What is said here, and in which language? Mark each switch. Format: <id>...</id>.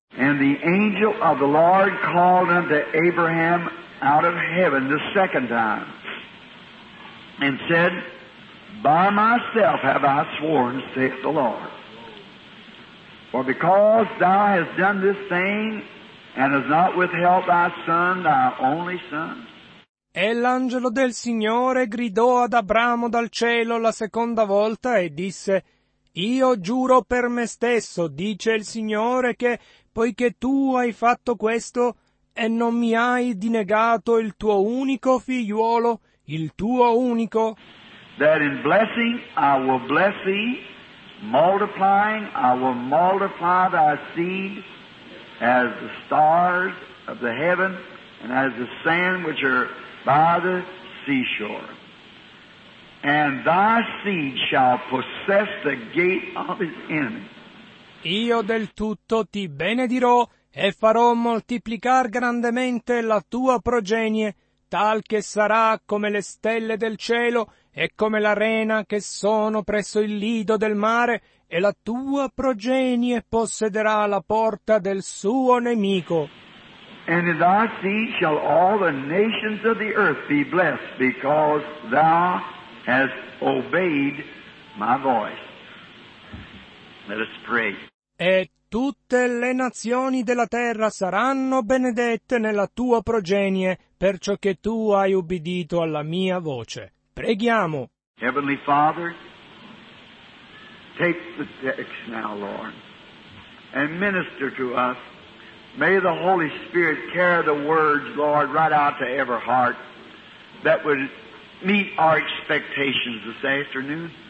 <en>And the angel of the Lord called unto Abraham out of heaven the second time, and said, By myself have I sworn, saith the Lord. For because thou hast done this thing, and hast not withheld thy son, thy only son.</en> <it>E l'angelo del Signore gridò ad Abramo dal cielo la seconda volta e disse: «Io giuro per me stesso, dice il Signore, che poiché tu hai fatto questo e non mi hai dinegato il tuo unico figliuolo, il tuo unico,</it> <en>that in blessing I will bless thee, multiplying I will multiply thy seed as the stars of the heaven and as the sand which are by the seashore. And thy seed shall possess the gate of his enemy.</en> <it>Io del tutto ti benedirò e farò moltiplicar grandemente la tua progenie, tal che sarà come le stelle del cielo e come la rena che sono presso il lido del mare, e la tua progenie possederà la porta del suo nemico.</it> <en>And in thy seed shall all the nations of the earth be blessed, because thou hast obeyed my voice. Let us pray.</en> <it>E tutte le nazioni della terra saranno benedette nella tua progenie, perciò che tu hai ubbidito alla mia voce. Preghiamo.</it> <en>Heavenly Father, take the text now, Lord, and minister to us. May the Holy Spirit carry the words, Lord, right out to every heart that would meet our expectations this afternoon.</en>